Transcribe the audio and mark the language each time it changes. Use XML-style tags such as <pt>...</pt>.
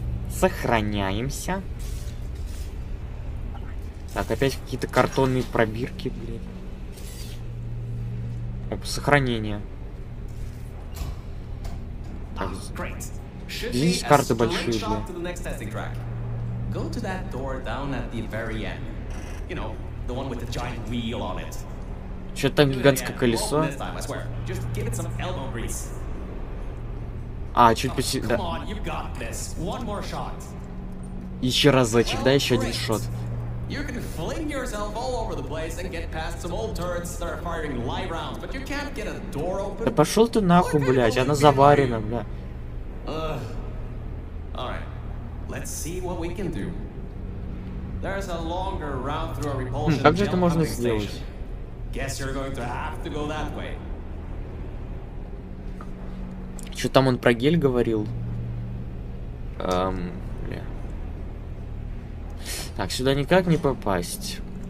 <ru>Сохраняемся. Так, опять какие-то картонные пробирки, блин. Оп, сохранение. Так, здесь карты большие, блин.</ru> <en>Go to that door down at the very end. You know, the one with the giant wheel on it.</en> <ru>Что-то там гигантское колесо.</ru> <en>Just give it some elbow grease.</en> <ru>А, чуть посильнее.</ru> <en>Come on, you got this. One more shot.</en> <ru>Еще разочек, да, еще один шот.</ru> <en>You can fling yourself all over the place and get past some old turrets that are firing live rounds, but you can't get a door open.</en> <ru>Да пошел ты нахуй, блядь, она заварена, бля.</ru> <en>Alright. Let's see what we can do. There's a longer route through a repulsion.</en> <ru>Как же это можно сделать?</ru> <en>Guess you're going to have to go that way.</en> <ru>Что там он про гель говорил? Бля. Так, сюда никак не попасть.</ru>